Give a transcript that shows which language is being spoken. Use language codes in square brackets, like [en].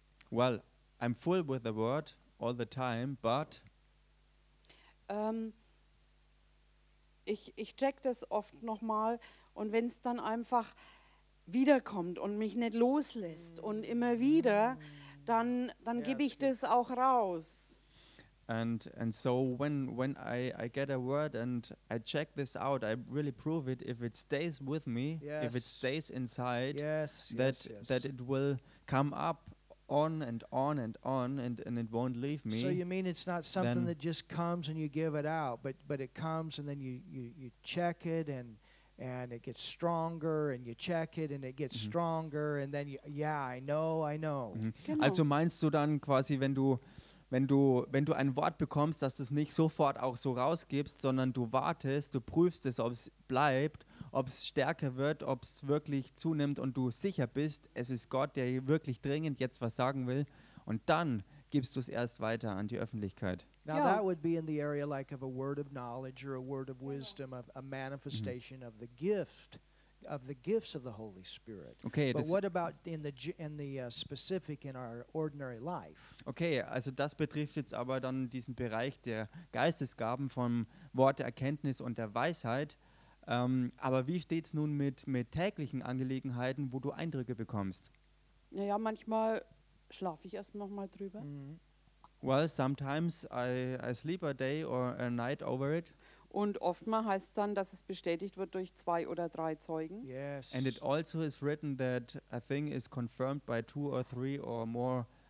[en] Well, I'm full with the word all the time, but [de] ich check das oft nochmal, und wenn es dann einfach wiederkommt und mich nicht loslässt und immer wieder, dann gebe ich das auch raus. [en] And so when I get a word and I check this out, I really prove it, if it stays with me, if it stays inside, that it will come up on and on and on, and it won't leave me. So you mean it's not something that just comes and you give it out, but it comes and then you check it, and it gets stronger, and you check it, and it gets stronger, and then I know. Mm-hmm. [de] Also meinst du dann quasi, wenn du ein Wort bekommst, dass du es nicht sofort auch so rausgibst, sondern du wartest, du prüfst es, ob es bleibt, ob es stärker wird, ob es wirklich zunimmt und du sicher bist, es ist Gott, der wirklich dringend jetzt was sagen will, und dann gibst du es erst weiter an die Öffentlichkeit. [en] Now that would be in the area like of a word of knowledge or a word of wisdom, of a manifestation of the gift, of the gifts of the Holy Spirit. Okay, but what about in the specific in our ordinary life? [de] Okay, also das betrifft jetzt aber dann diesen Bereich der Geistesgaben von Wort der Erkenntnis und der Weisheit. Aber wie steht's nun mit täglichen Angelegenheiten, wo du Eindrücke bekommst? Naja, manchmal schlafe ich erst noch mal drüber. Mm-hmm. [en] Well, sometimes I sleep a day or a night over it. [de] Und oftmals heißt dann, dass es bestätigt wird durch zwei oder drei Zeugen. [en] Yes. And it also is written that a thing is confirmed by two or three or more